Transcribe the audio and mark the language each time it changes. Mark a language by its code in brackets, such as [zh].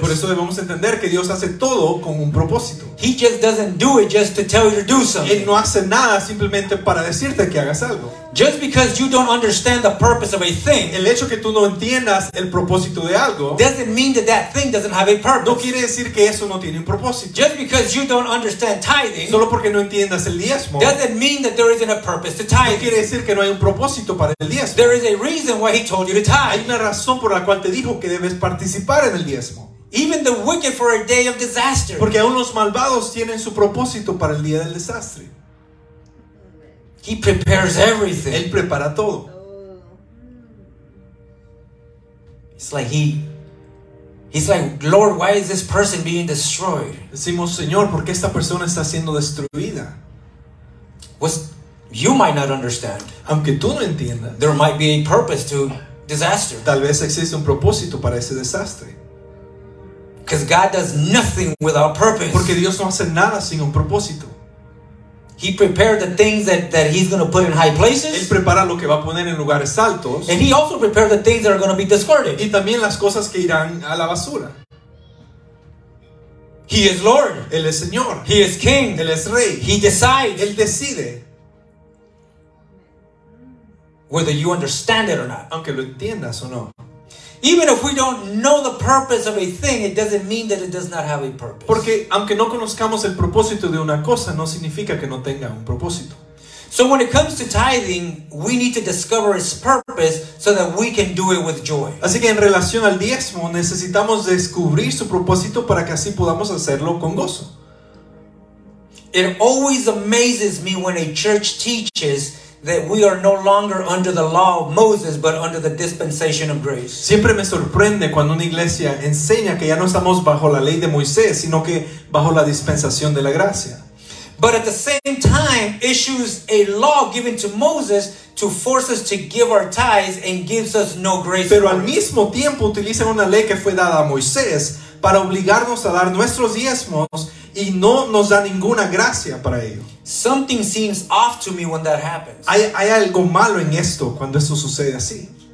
[es] Por eso debemos entender que Dios hace todo con un propósito. [en] He just doesn't do it just to tell you to do something. [es] Él no hace nada simplemente para decirte que hagas algo. [en] Just because you don't understand the purpose of a thing, [es] el hecho que tú no entiendas el propósito de algo, [en] doesn't mean that that thing doesn't have a purpose. [es] No quiere decir que eso no tiene un propósito. [en] Just because you don't understand tithing, [es] solo porque no entiendas el diezmo, [en] doesn't mean that there isn't a purpose to tithing. [es] No quiere decir que no hay un propósito para el diezmo. [en] There is a reason why he told you to tithe. [es] Hay una razón por la cual te dijo que debes participar en el diezmo. [en] Even the wicked for a day of disaster. [es] Porque aún los malvados tienen su propósito para el día del desastre. [en] He prepares everything. [es] Él prepara todo. [en] He's like, Lord, why is this person being destroyed? [es] Decimos, Señor, ¿por qué esta persona está siendo destruida? [en] You might not understand. [es] Aunque tú no entiendas. [en] There might be a purpose to disaster. [es] Tal vez existe un propósito para ese desastre. [en] Because God does nothing without purpose. [es] Porque Dios no hace nada sin un propósito. [en] He prepared the things that he's going to put in high places. [es] Él prepara lo que va a poner en lugares altos. [en] And he also prepared the things that are going to be discarded. [es] Y también las cosas que irán a la basura. [en] He is Lord. [es] Él es Señor. [en] He is King. [es] Él es Rey. [en] He decides. [es] Él decide. [en] Whether you understand it or not. [es] Aunque lo entiendas o no. [en] Even if we don't know the purpose of a thing, it doesn't mean that it does not have a purpose. [es] Porque aunque no conozcamos el propósito de una cosa, no significa que no tenga un propósito. [en] So when it comes to tithing, we need to discover its purpose so that we can do it with joy. [es] Así que en relación al diezmo, necesitamos descubrir su propósito para que así podamos hacerlo con gozo. [en] It always amazes me when a church teaches that we are no longer under the law of Moses, but under the dispensation of grace. [es] Siempre me sorprende cuando una iglesia enseña que ya no estamos bajo la ley de Moisés, sino que bajo la dispensación de la gracia. [en] But at the same time, issues a law given to Moses to force us to give our tithes and gives us no grace. [es] Pero al mismo tiempo utilizan una ley que fue dada a Moisés para obligarnos a dar nuestros diezmos y no nos da ninguna gracia para ello. [en] Something seems off to me when that happens. [es] Hay algo malo en esto cuando esto sucede así.